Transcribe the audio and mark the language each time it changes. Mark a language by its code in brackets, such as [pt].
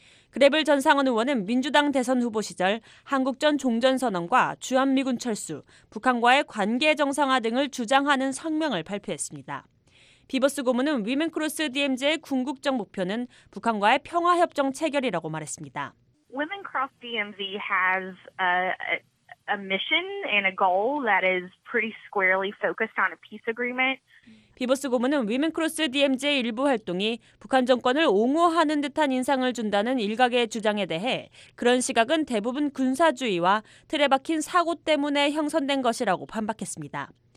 [ko] 그래블 전 상원 의원은 민주당 대선 후보 시절 한국전 종전선언과 주한미군 철수, 북한과의 관계 정상화 등을 주장하는 성명을 발표했습니다. 비버스 고문은 위민 크로스 DMZ의 궁극적 목표는 북한과의 평화협정 체결이라고 말했습니다. [en] Women Cross DMZ has a mission and a goal that is pretty squarely focused on a peace agreement. [ko] 비버스 고문은 위민 크로스 DMZ의 일부 활동이 북한 정권을 옹호하는 듯한 인상을 준다는 일각의 주장에 대해 그런 시각은 대부분 군사주의와 틀에 박힌 사고 때문에 형성된 것이라고 반박했습니다.